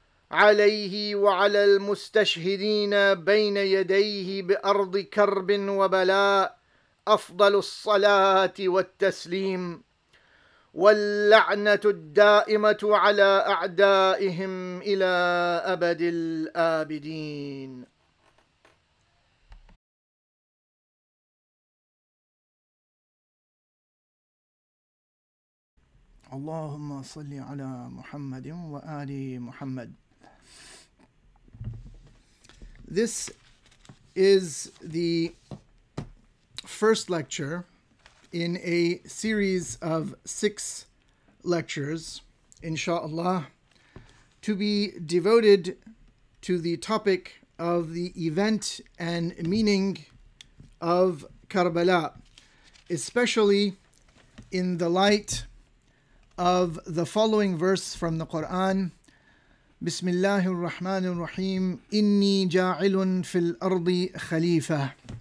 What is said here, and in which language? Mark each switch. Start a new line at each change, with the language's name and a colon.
Arabic: عليه وعلى المستشهدين بين يديه بأرض كرب وبلاء أفضل الصلاة والتسليم واللعنة الدائمة على أعدائهم إلى أبد الآبدين. اللهم صل على محمد وآل محمد.
English: This is the first lecture in a series of six lectures, inshallah, to be devoted to the topic of the event and meaning of Karbala, especially in the light of the following verse from the Quran.
Arabic: بسم الله الرحمن الرحيم إني جاعل في الأرض خليفة.